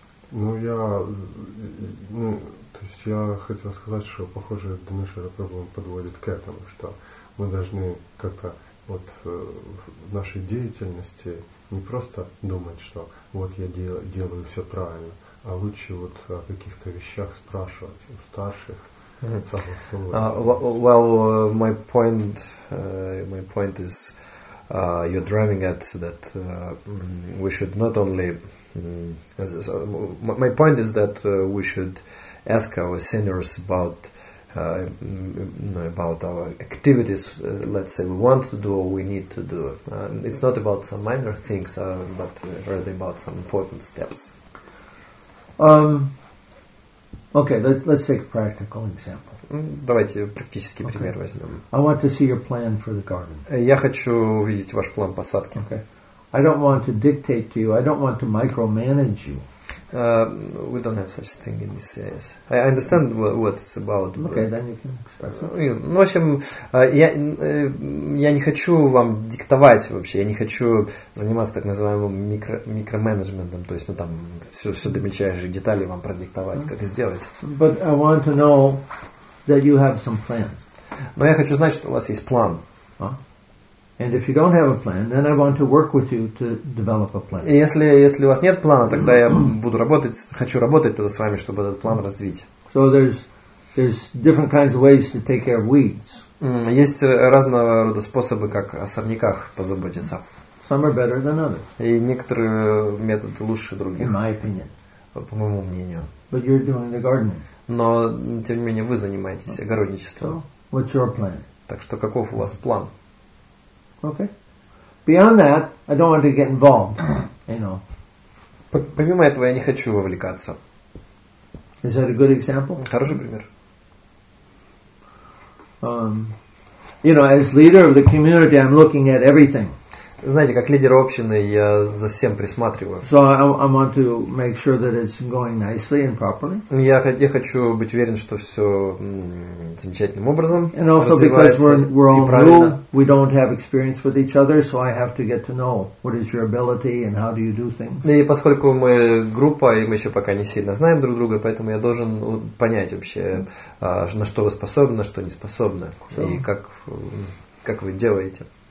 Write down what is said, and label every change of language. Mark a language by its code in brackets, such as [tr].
[ru] Ну, я, ну, то есть, я хотел сказать, что, похоже, Дмитрий Рапрабхан подводит к этому, что мы должны как-то вот в нашей деятельности не просто думать, что вот я делаю все правильно, а лучше вот о каких-то вещах спрашивать у старших. [en] Well, my point is, you're driving at that we should not only. My point is that we should ask our seniors about, you know, about our activities. Let's say we want to do or we need to do. It's not about some minor things, but rather about some important steps. Okay, let's take a practical example. [ru] Давайте практический okay. пример возьмем. [en] I want to see your plan for the garden. [ru] Я хочу увидеть ваш план посадки. [en] Okay. I don't want to dictate to you. I don't want to micromanage you. We don't have such thing in this CIS. I understand what it's about. Okay, then you can express it. [ru] Ну, в общем, я не хочу вам диктовать вообще. Я не хочу заниматься так называемым микроменеджментом. То есть, ну там, все до мельчайших деталей вам продиктовать, как сделать. [en] But I want to know that you have some plan. [ru] Но я хочу знать, что у вас есть план. [en] And if you don't have a plan, then I want to work with you to develop a plan. [ru] Если у вас нет плана, тогда я буду работать, хочу работать тогда с вами, чтобы этот план развить. [en] So there's different kinds of ways to take care of weeds. [ru] Есть разного рода способы, как о сорняках позаботиться. [en] Some are better than others. [ru] И некоторые методы лучше других. [en] In my opinion. [ru] По моему мнению. [en] But you're doing the gardening. [ru] Но тем не менее вы занимаетесь огородничеством. [en] So what's your plan? [ru] Так что каков у вас план? [en] Okay. Beyond that, I don't want to get involved. You know. [ru] Помимо этого, я не хочу вовлекаться. [en] Is that a good example? [ru] Хороший пример. [en] You know, as leader of the community, I'm looking at everything. [ru] Знаете, как лидер общины, я за всем присматриваю. [en] So I want to make sure that it's going nicely and properly. [ru] Я хочу быть уверен, что все замечательным образом [en] and also [ru] развивается. [en] Because we're on rule, we don't have experience with each other, so I have to get to know what is your ability and how do you do things. [ru] И поскольку мы группа, и мы еще пока не сильно знаем друг друга, поэтому я должен понять вообще, на что вы способны, на что не способны, и как вы делаете.